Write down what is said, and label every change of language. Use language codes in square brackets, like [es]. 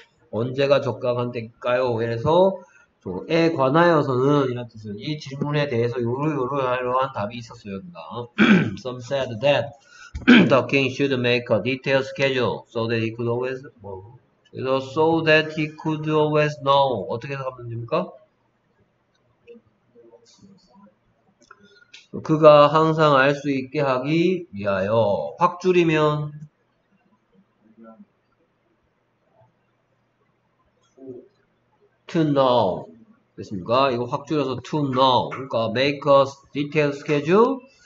[ko] 언제가 적당한 때일까요? 그래서 에 관하여서는 이런 뜻은 이 질문에 대해서 요러요러한 답이 있었어요. [en] Some said that the king should make a detailed schedule so that he could always 뭐, so that he could always know. [ko] 어떻게 하면 됩니까? 그가 항상 알수 있게 하기 위하여. 확 줄이면 [en] to know. [ko] 됐습니까? 이거 확 줄여서 [en] to know. [ko] 그러니까 [en] make a detailed schedule.